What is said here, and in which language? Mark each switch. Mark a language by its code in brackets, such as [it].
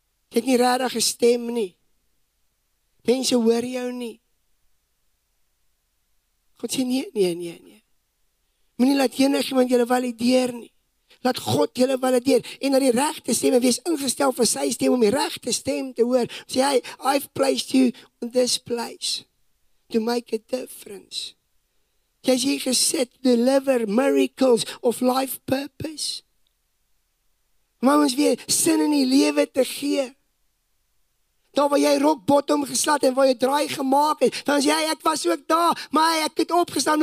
[af] Jy het nie rarig gestem nie. Mense hoor jou nie. God sê, nee. Moet nie laat enig iemand julle valideer nie. Laat God julle valideer, en na die regte stem, en wees ingesteld vir sy stem, om die regte stem te hoor. [en] Sê, hey, I've placed you in this place, to make a difference. [af] Jy is hier gesit, [en] deliver miracles of life purpose. [af] Om ons weer sin in die lewe te gee. Daar waar jy [en] rock bottom [af] geslat en waar jy draai gemaak het. Dan sê jy, ek was ook daar, maar ek het opgestaan.